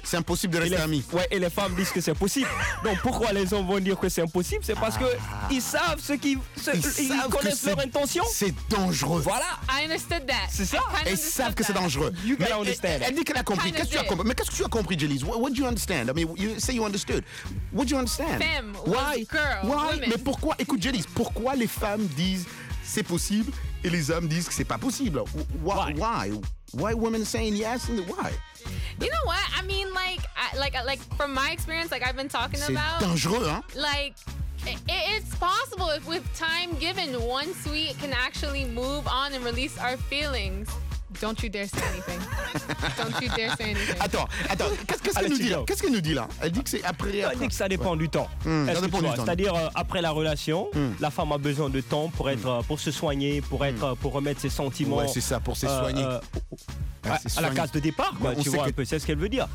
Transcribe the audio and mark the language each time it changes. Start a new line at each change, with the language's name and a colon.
French: C'est impossible de rester amis. Ouais, et les femmes disent que c'est possible. Donc pourquoi les hommes vont dire que c'est impossible? C'est parce qu'ils savent ce qu'ils... Ils connaissent leur intention. C'est dangereux. Voilà.
English: I understood that.
French: C'est ça? Ils savent
English: that.
French: Que c'est dangereux.
English: You gotta understand.
French: Elle dit qu'elle a compris. Qu'est-ce que tu as compris? Mais qu'est-ce que tu as compris, Jelise?
English: What do you understand? I mean, you say you understood. What do you understand?
French: Femme,
English: why? Girl, why? Women.
French: Mais pourquoi? Écoute, Jelise, pourquoi les femmes disent c'est possible et les hommes disent que c'est pas possible?
English: Why? Why? Why women saying yes and why? You know what? I mean, like from my experience, like I've been talking
French: c'est
English: about.
French: C'est dangereux, hein?
English: Like. It's possible if with time given, once we can actually move on and release our feelings, don't you dare say anything. Don't you dare say anything.
French: Attends, attends, qu'est-ce qu'elle nous dit là? Elle dit que c'est après... Elle dit que ça dépend du temps. Ça dépend du temps. C'est-à-dire après la relation, la femme a besoin de temps pour être, pour se soigner, pour être, pour remettre ses sentiments. Ouais, c'est ça, pour se soigner. À la case de départ, quoi, tu vois, que... un peu, c'est ce qu'elle veut dire.